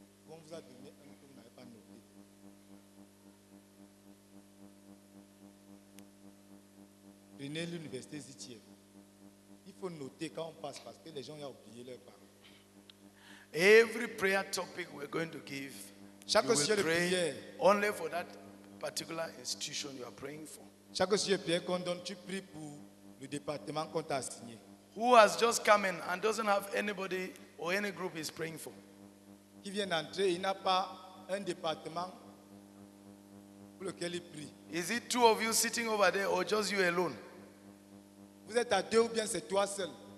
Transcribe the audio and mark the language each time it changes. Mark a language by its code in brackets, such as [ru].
[fr] On vous a donné un que vous n'avez pas noté. Prenez l'université ZTF. Il faut noter quand on passe parce que les gens ont oublié leur parole. [en] Every prayer topic we're going to give, [fr] chaque sujet de prière, [en] only for that particular institution you are praying for. [fr] Chaque sujet de prière qu'on donne, tu pries pour le département qu'on t'a assigné. [en] Who has just come in and doesn't have anybody or any group he's praying for? [fr] Qui vient d'entrer, il n'a pas un département. [en] Is it two of you sitting over there or just you alone? [fr] Vous êtes à deux ou bien c'est toi seul?